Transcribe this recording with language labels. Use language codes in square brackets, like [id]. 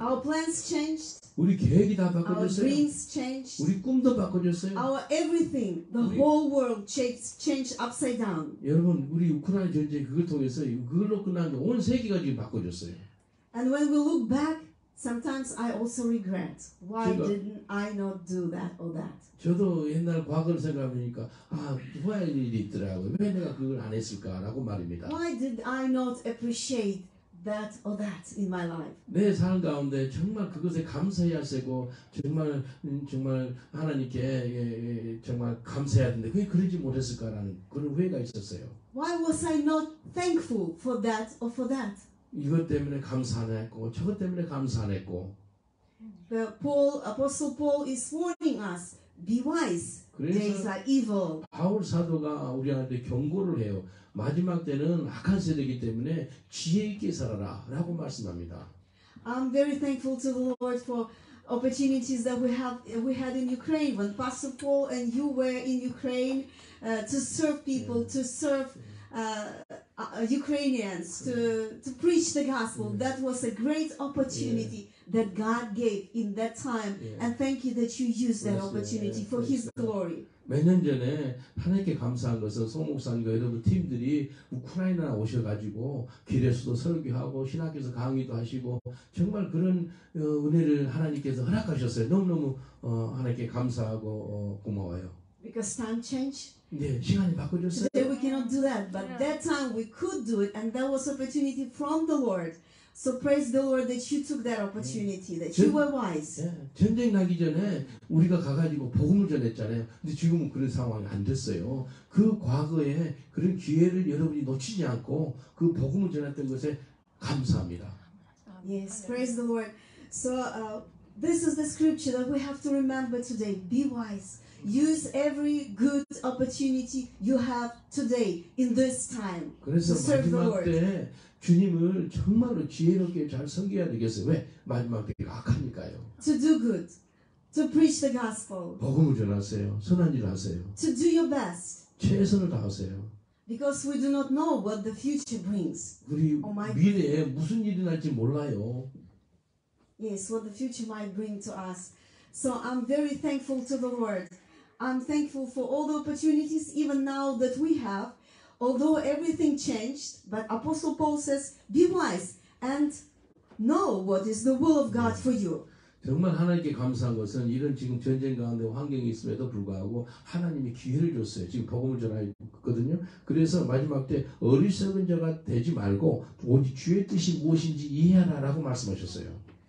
[en] Our plans changed. [ko] 우리 계획이 다 바뀌었어요. [en] Our dreams changed. [ko] 우리 꿈도 바뀌었어요. [en] Our everything, the whole world changed upside down. [ko] 여러분, 우리 우크라이나 전쟁 그걸 통해서 그걸로 끝난 게 온 세계가 지금 바뀌었어요. [en] And when we look back, sometimes I also regret why didn't I not do that or that. [ko] 저도 옛날 과거를 생각하니까 아 후회할 일이 있더라고. 왜 내가 그걸 안 했을까라고 말입니다. [en] Why did I not appreciate that or that in my life. [ko] 내 삶 가운데 정말 그것에 감사해야 되고 정말 정말 하나님께 정말 감사해야 되는데 왜 그러지 못했을까라는 그런 후회가 있었어요. [en] Why was I not thankful for that or for that? [ko] 이것 때문에 감사했고 저것 때문에 감사했고. [en] But Paul, Apostle Paul is warning us, be wise. Days are evil. [ko] 바울 사도가 우리한테 경고를 해요. 마지막 때는 악한 세대이기 때문에 지혜 있게 살아라라고 말씀합니다. [en] I'm very thankful to the Lord for opportunities that we had in Ukraine when Pastor Paul and you were in Ukraine to serve people, to serve Ukrainians, to preach the gospel. Yeah. That was a great opportunity yeah. that God gave in that time. Yeah. And thank you that you used that opportunity yeah. for yeah. His glory. [ko] 몇 년 전에 하나님께 감사한 것은 송 목사님과 여러분 팀들이 우크라이나 오셔가지고 길에서도 설교하고 신학교에서 강의도 하시고 정말 그런 은혜를 하나님께서 허락하셨어요. 너무너무 하나님께 감사하고 고마워요. [en] Because time changed. [ko] 네, 시간이 바꿔졌어요. [en] Today we cannot do that, but that time we could do it, and that was opportunity from the Lord. So praise the Lord that you took that opportunity, that you were wise. [ko] 전쟁 나기 전에 우리가 가가지고 복음을 전했잖아요. 근데 지금은 그런 상황이 안 됐어요. 그 과거에 그런 기회를 여러분이 놓치지 않고 그 복음을 전했던 것에 감사합니다. [en] Yes, praise the Lord. So this is the scripture that we have to remember today. Be wise. Use every good opportunity you have today in this time. [ko] 그래서 [en] to serve [ko] 마지막 [en] the Lord. [ko] 때 주님을 정말로 지혜롭게 잘 섬겨야 되겠어요. 왜 마지막 때가 악하니까요. [en] To do good, to preach the gospel. [ko] 복음을 전하세요. 선한 일 하세요. [en] To do your best. [ko] 최선을 다하세요. [en] Because we do not know what the future brings. [ko] 우리 미래에 무슨 일이 날지 몰라요. [en] Yes, what the future might bring to us. So I'm very thankful to the Lord. I'm thankful for all the opportunities even now that we have. Although everything changed, but Apostle Paul says, be wise and know what is the will of God for you. [ko] 정말 하나님께 감사한 것은 이런 지금 전쟁 가운데 환경이 있음에도 불구하고 하나님이 기회를 줬어요. 지금 복음을 전하거든요. 그래서 마지막 때 어리석은 자가 되지 말고 오직 주의 뜻이 무엇인지 이해하라라고 말씀하셨어요.